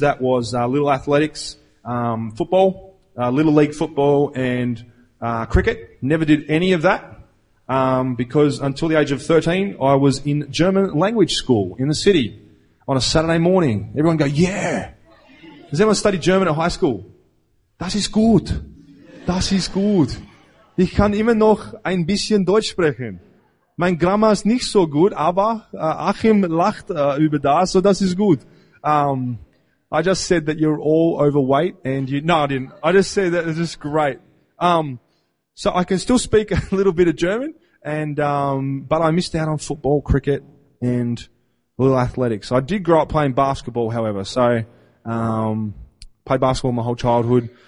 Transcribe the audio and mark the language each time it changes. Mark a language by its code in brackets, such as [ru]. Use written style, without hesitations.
[en] That was little athletics, football, little league football and cricket. Never did any of that. Because until the age of 13, I was in German language school in the city on a Saturday morning. Everyone go, yeah. Has anyone studied German at high school? [de] Das ist gut. Das ist gut. Ich kann immer noch ein bisschen Deutsch sprechen. Mein Grammar ist nicht so gut, aber Achim lacht über das, so das ist gut. [en] I just said that you're all overweight and you, no, I didn't. I just said that it's just great. So I can still speak a little bit of German, and but I missed out on football, cricket, and little athletics. I did grow up playing basketball, however. So played basketball my whole childhood.